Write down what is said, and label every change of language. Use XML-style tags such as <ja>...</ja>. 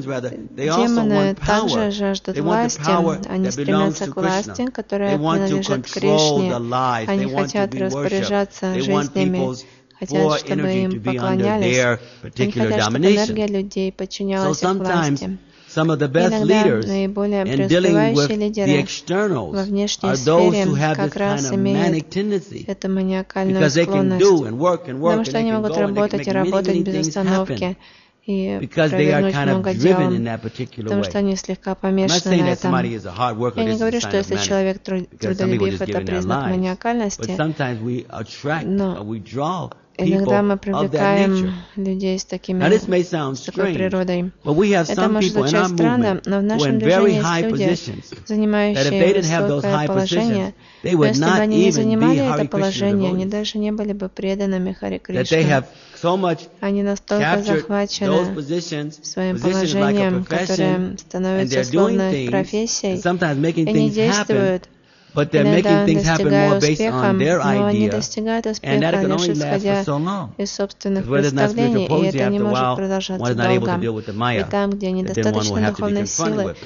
<ru>Демоны также жаждут власти, они стремятся к власти, которая принадлежит Кришне. Они хотят распоряжаться жизнями, хотят, чтобы им поклонялись. Они хотят, чтобы энергия людей подчинялась их власти.</ru> <en>Some of the best leaders in dealing with the external, are those who have this kind of manic tendency.</en> <ru>Иногда мы привлекаем людей с такими, с такой природой. Это может звучать странно, но в нашем движении есть люди, занимающие высокое положение. Но если бы они не занимали это положение, они даже не были бы преданными Харе Кришне. Они настолько захвачены своим положением, которое становится словно их профессией, и они действуют.</ru> <en>But they're making things happen more based on their ideas, and that can only last for so long. Because where there's not spiritual potency, after a while, one is not able to deal with the Maya. And then one will have to be confronted with.</en>